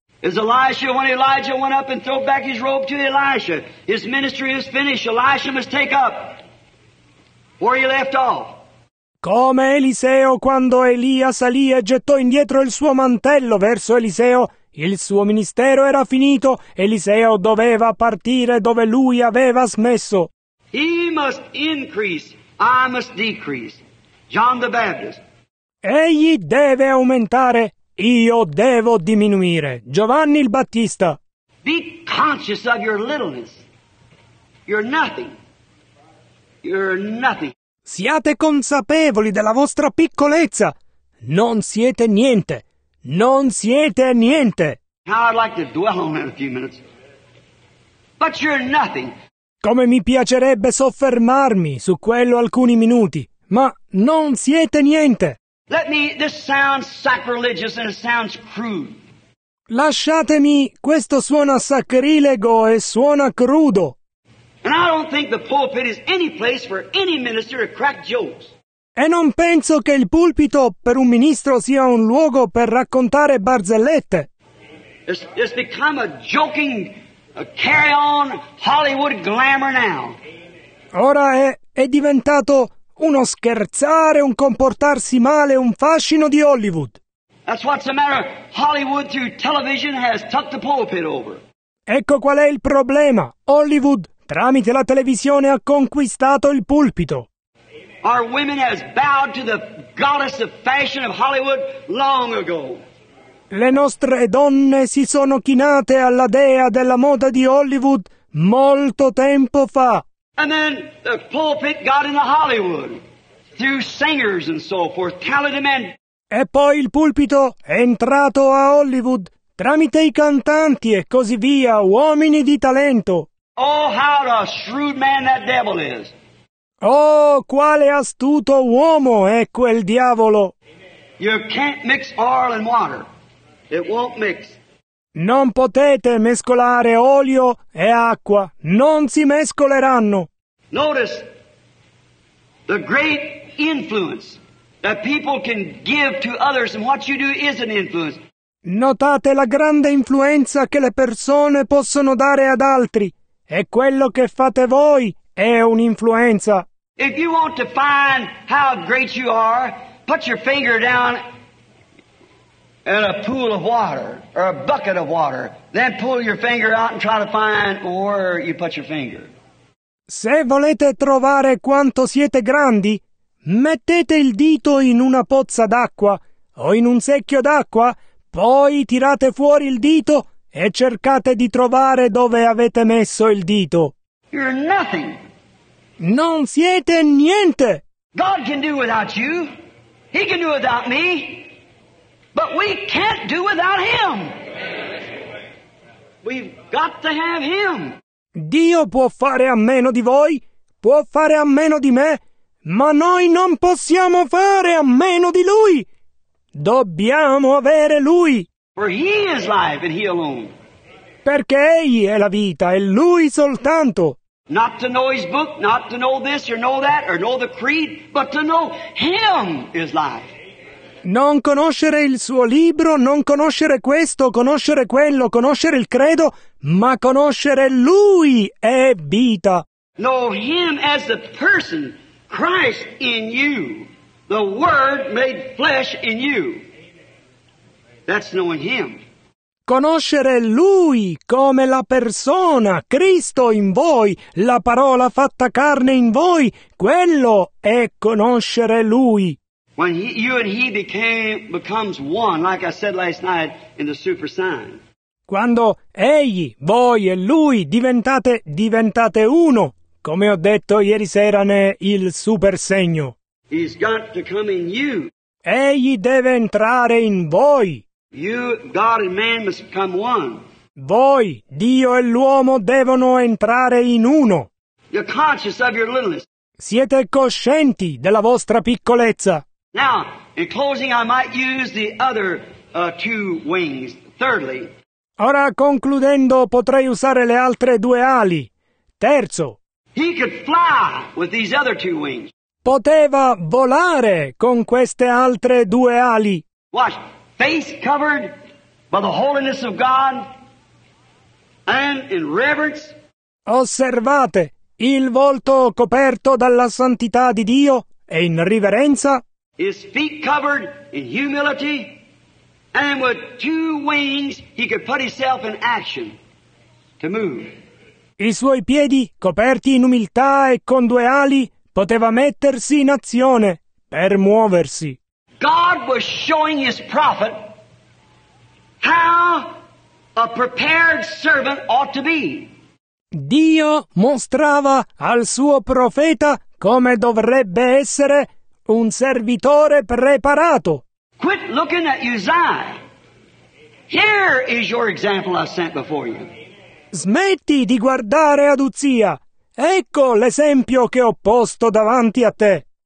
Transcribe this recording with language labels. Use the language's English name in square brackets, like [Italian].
[English] Is Elisha, when Elijah went up and threw back his robe to Elisha, his ministry is finished, Elisha must take up where he left off. [Italian] Come Eliseo quando Elia salì e gettò indietro il suo mantello verso Eliseo, il suo ministero era finito, Eliseo doveva partire dove lui aveva smesso. [English] He must increase, I must decrease. John the Baptist. [Italian] Egli deve aumentare, io devo diminuire. Giovanni il Battista. [English] Be conscious of your littleness. You're nothing. You're nothing. [Italian] Siate consapevoli della vostra piccolezza. Non siete niente. Non siete niente. [English] Now I'd like to dwell on that a few minutes. But you're nothing. [Italian] Come mi piacerebbe soffermarmi su quello alcuni minuti, ma non siete niente. [English] This sounds sacrilegious and it sounds crude. [Italian] Lasciatemi, questo suona sacrilego e suona crudo. [English] And I don't think the pulpit is any place for any minister to crack jokes. [Italian] E non penso che il pulpito per un ministro sia un luogo per raccontare barzellette. [English] It's become a joking. A carry on Hollywood glamour now. [Italian] Ora è diventato uno scherzare, un comportarsi male, un fascino di Hollywood. [English] That's what's the matter. Hollywood through television has tucked the pulpit over. [Italian] Ecco qual è il problema. Hollywood tramite la televisione ha conquistato il pulpito. [English] Our women has bowed to the goddess of fashion of Hollywood long ago. [Italian] Le nostre donne si sono chinate alla dea della moda di Hollywood molto tempo fa. [English] And then the pulpit got into Hollywood through singers and so forth, talented men. [Italian] E poi il pulpito è entrato a Hollywood tramite i cantanti e così via, uomini di talento. [English] Oh, how a shrewd man that devil is. [Italian] Oh, quale astuto uomo è quel diavolo. [English] You can't mix oil and water. It won't mix. [Italian] Non potete mescolare olio e acqua. Non si mescoleranno. [English] Notice the great influence that people can give to others, and what you do is an influence. [Italian] Notate la grande influenza che le persone possono dare ad altri. E quello che fate voi è un'influenza. [English] If you want to find how great you are, put your finger down and a pool of water, or a bucket of water, then pull your finger out and try to find where you put your finger. [Italian] Se volete trovare quanto siete grandi, mettete il dito in una pozza d'acqua o in un secchio d'acqua, poi tirate fuori il dito e cercate di trovare dove avete messo il dito. [English] You're nothing. [Italian] Non siete niente. [English] God can do without you. He can do without me. But we can't do without him. We've got to have him. [Italian] Dio può fare a meno di voi, può fare a meno di me, ma noi non possiamo fare a meno di lui. Dobbiamo avere lui. [English] For he is life and he alone. [Italian] Perché egli è la vita e lui soltanto. [English] Not to know his book, not to know this or know that or know the creed, but to know him is life. [Italian] Non conoscere il suo libro, non conoscere questo, conoscere quello, conoscere il credo, ma conoscere lui è vita. [English] Know him as the person, Christ in you, the Word made flesh in you. That's knowing him. [Italian] Conoscere Lui come la persona, Cristo in voi, la parola fatta carne in voi, quello è conoscere Lui. [English] When he, you and he becomes one, like I said last night in the super sign. [Italian] Quando egli, voi e lui diventate uno, come ho detto ieri sera nel super segno. [English] He's got to come in you. [Italian] Egli deve entrare in voi. [English] You, God and man must become one. [Italian] Voi, Dio e l'uomo devono entrare in uno. [English] You're conscious of your littleness. [Italian] Siete coscienti della vostra piccolezza. [English] Now, in closing, I might use the other two wings. Thirdly. [Italian] Ora concludendo, potrei usare le altre due ali. Terzo. [English] He could fly with these other two wings. [Italian] Poteva volare con queste altre due ali. [English] Watch. Face covered by the holiness of God and in reverence. [Italian] Osservate il volto coperto dalla santità di Dio e in riverenza. [English] His feet covered in humility, and with two wings he could put himself in action to move. [Italian] I suoi piedi coperti in umiltà e con due ali poteva mettersi in azione per muoversi. [English] God was showing his prophet how a prepared servant ought to be. [Italian] Dio mostrava al suo profeta come dovrebbe essere un servitore preparato. [English] Quit looking at Uzziah. Here is your example I sent before you. [Italian] Smetti di guardare ad Uzzia. Ecco l'esempio che ho posto davanti a te.